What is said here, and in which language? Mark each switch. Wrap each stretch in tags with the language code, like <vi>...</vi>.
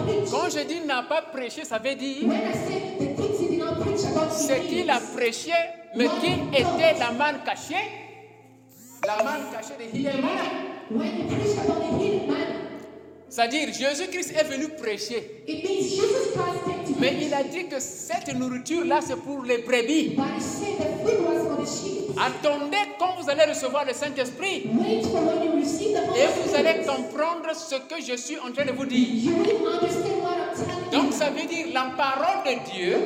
<fr>Quand je dis n'a pas prêché, ça veut dire ce qu'il a prêché, mais qui était la manne cachée. La manne cachée de</fr> <en>Hidden Man.</en> <fr>C'est-à-dire, Jésus-Christ est venu prêcher.</fr> <en>It means Jesus Christ came to preach.</en> <fr>Mais il a dit que cette nourriture-là, c'est pour les brebis.</fr> <en>But he said the food was for the sheep.</en> <fr>Attendez quand vous allez recevoir le Saint-Esprit.</fr> <en>Wait for when you receive the Holy</en> <fr>Et vous allez comprendre ce que je suis en train de vous dire.</fr> <en>You will understand what I'm telling you.</en> <fr>Donc, ça veut dire la parole de Dieu,</fr>